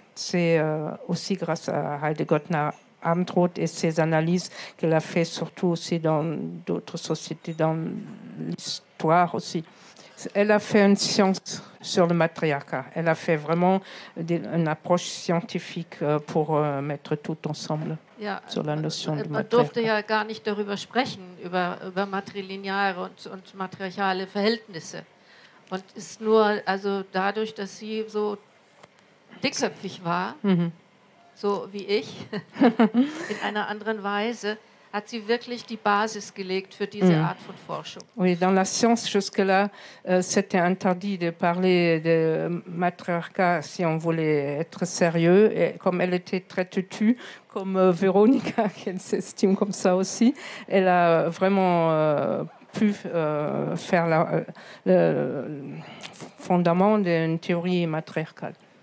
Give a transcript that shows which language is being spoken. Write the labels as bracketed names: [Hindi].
[French] C'est aussi grâce à Heide Göttner-Abendroth et ses analyses qu'elle a fait, surtout aussi dans d'autres sociétés, dans l'histoire aussi. Elle a fait une science sur le matriarcat. Elle a fait vraiment une approche scientifique pour mettre tout ensemble ja, sur la notion du matriarcat. [German] Man durfte ja gar nicht darüber sprechen, über matrilineare und matriarchale Verhältnisse. Und ist nur, also dadurch, dass sie so dickköpfig war, so wie ich, in einer anderen Weise, hat sie wirklich die Basis gelegt für diese Art von Forschung. [French] Oui, dans la science jusque-là, c'était interdit de parler de matriarcat si on voulait être sérieux. Et comme elle était très têtue, comme Véronica, qui s'estime comme ça aussi, elle a vraiment pu faire le fondement d'une théorie matriarcale.